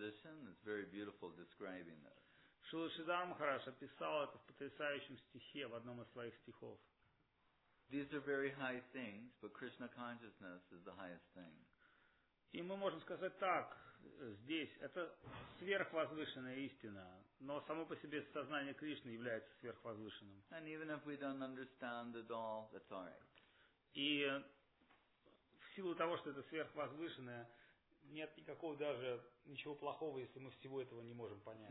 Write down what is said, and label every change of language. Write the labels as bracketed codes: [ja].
[ru] Шрила Шридхар Махарадж описал это в потрясающем стихе, в одном из своих стихов. [en] These are very high things, but Krishna consciousness is the highest thing. [ru] И мы можем сказать так, здесь это сверхвозвышенная истина, но само по себе сознание Кришны является сверхвозвышенным. [en] And even if we don't understand it all, that's all right. [ru] И в силу того, что это сверхвозвышенное, нет никакого даже ничего плохого, если мы всего этого не можем понять.